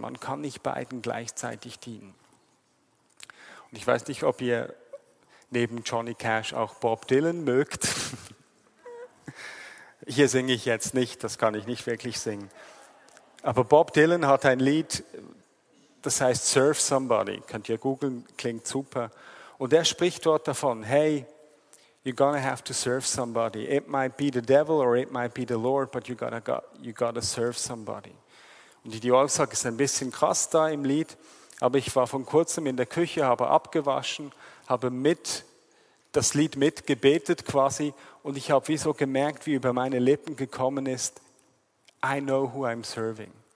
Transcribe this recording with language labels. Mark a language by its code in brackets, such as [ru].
[de] Man kann nicht beiden gleichzeitig dienen. Und ich weiß nicht, ob ihr neben Johnny Cash auch Bob Dylan mögt. Hier singe ich jetzt nicht, das kann ich nicht wirklich singen. Aber Bob Dylan hat ein Lied, das heißt Serve Somebody. Könnt ihr googeln, klingt super. Und er spricht dort davon, [en] hey, you're gonna have to serve somebody. It might be the devil or it might be the Lord, but you gotta serve somebody. [de] Und die Aussage ist ein bisschen krass da im Lied, aber ich war vor kurzem in der Küche, habe abgewaschen, habe das Lied mitgebetet quasi und ich habe wie so gemerkt, wie über meine Lippen gekommen ist, [en] I know who I'm serving.